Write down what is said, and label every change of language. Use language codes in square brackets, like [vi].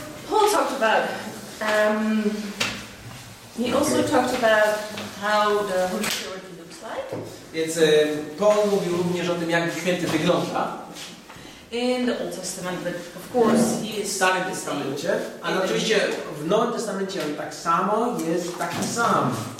[en] Paul talked about he also talked about how the Holy Spirit looks like. [pl] Więc Paul mówił również o tym, jak Duch Święty wygląda. [en] In the Old Testament, but of course he is [pl] w Starym Testamencie. A oczywiście w Nowym Testamencie on tak samo jest taki sam.